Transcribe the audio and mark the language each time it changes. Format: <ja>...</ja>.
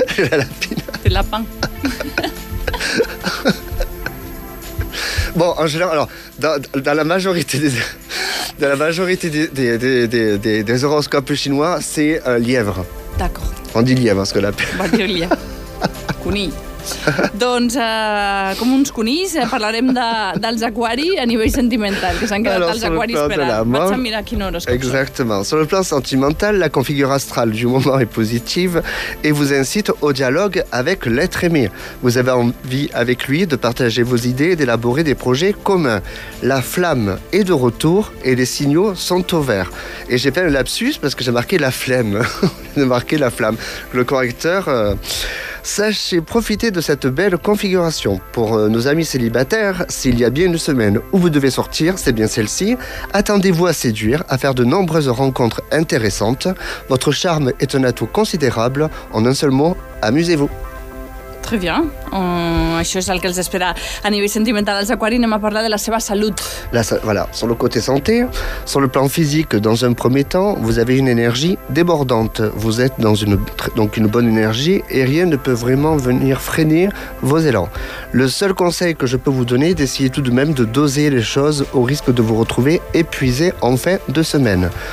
<fr>La lapine. Des lapins. Bon, en général, alors, dans la majorité des horoscopes chinois, c'est lièvre. D'accord. On dit lièvre, parce que lapin. On va dire lièvre. Conill.</fr> <ca>Doncs, com uns conills, parlarem dels aquaris a nivell sentimental, que s'han quedat</ca> <fr>alors,</fr> <ca>els aquaris esperant. Vaig a mirar quin horoscope.</ca> <fr>Exactement. Sur le plan sentimental, la configuration astrale du moment est positive et vous incite au dialogue avec l'être aimé. Vous avez envie avec lui de partager vos idées et d'élaborer des projets communs. La flamme est de retour et les signaux sont au vert. Et j'ai fait un lapsus parce que j'ai marqué la flemme. J'ai marqué la flamme. Le correcteur... Sachez profiter de cette belle configuration. Pour nos amis célibataires, s'il y a bien une semaine où vous devez sortir, c'est bien celle-ci. Attendez-vous à séduire, à faire de nombreuses rencontres intéressantes. Votre charme est un atout considérable. En un seul mot, amusez-vous. Très bien.</fr> <ca>Això és el que els espera a nivell sentimental als aquaris. Anem a parlar de la seva salut.</ca> <fr>Voilà, sur le côté santé, sur le plan physique, dans un premier temps, vous avez une énergie débordante. Vous êtes dans une bonne énergie et rien ne peut vraiment venir freiner vos élans. Le seul conseil que je peux vous donner est d'essayer tout de même de doser les choses au risque de vous retrouver épuisé en fin de semaine.</fr>